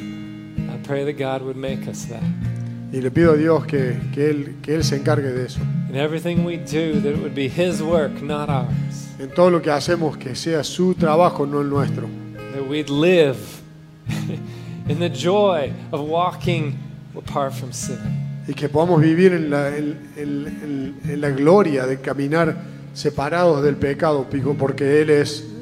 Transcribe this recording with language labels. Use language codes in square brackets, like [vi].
[en] I pray that God would make us that. [es] Y le pido a Dios que él se encargue de eso. [en] In everything we do, that it would be His work, not ours. [es] En todo lo que hacemos, que sea su trabajo, no el nuestro. [en] That we'd live in the joy of walking apart from sin. [es] Y que podamos vivir en la gloria de caminar separados del pecado, porque Él es.